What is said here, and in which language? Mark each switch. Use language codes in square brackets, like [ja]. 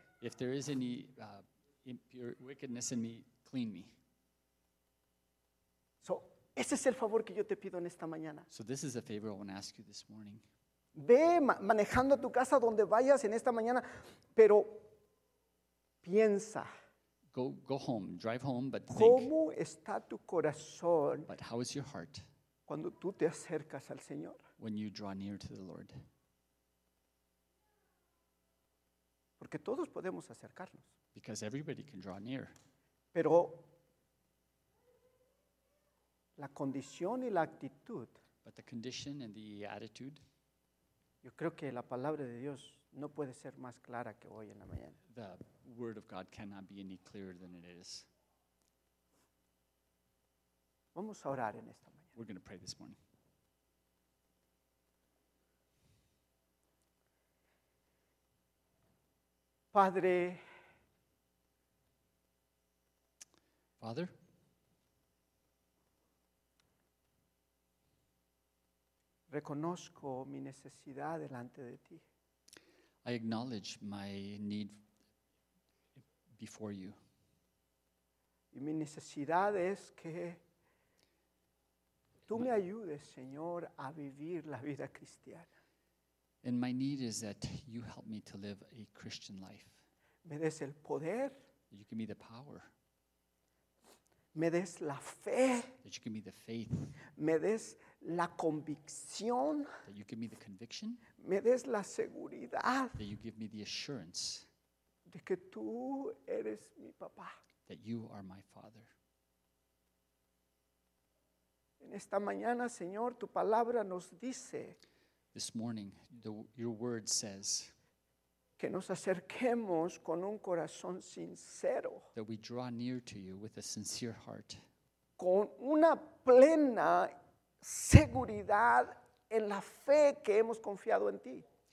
[en] if there is any impure wickedness in me, clean me. So, [es] Ese es el favor que yo te pido en esta mañana. [en] So this is a favor I want to ask you this morning. [es] Ve manejando a tu casa donde vayas en esta mañana, pero piensa. [en] Go home, drive home, but think. [es] ¿Cómo está tu corazón? [en] But how is your heart? [es] Cuando tú te acercas al Señor. [en] When you draw near to the Lord. [es] Porque todos podemos acercarnos. [en] Because everybody can draw near. [es] Pero la condición y la actitud. [en] But the condition and the attitude. [es] Yo creo que la palabra de Dios no puede ser más clara que hoy en la mañana. [en] The word of God cannot be any clearer than it is. [es] Vamos a orar en esta mañana. [en] We're going to pray this morning. [es] Padre. [en] Father. [es] Reconozco mi necesidad delante de ti. [en] I acknowledge my need before you. [es] Y mi necesidad es que tú me ayudes, Señor, a vivir la vida cristiana. [en] And my need is that you help me to live a Christian life. [es] Me des el poder. [en] You give me the power. [es] Me des la fe. [en] That you give me the faith. [es] Me des la convicción. [en] That you give me the conviction. [es] Me des la seguridad. [en] That you give me the assurance. [es] De que tú eres mi papá. [en] That you are my father. [es] En esta mañana, Señor, tu palabra nos dice. [en] This morning, your word says. [es] Que nos acerquemos con un corazón sincero. [en] That we draw near to you with a sincere heart. [es] Con una plena seguridad en la fe que hemos confiado en ti.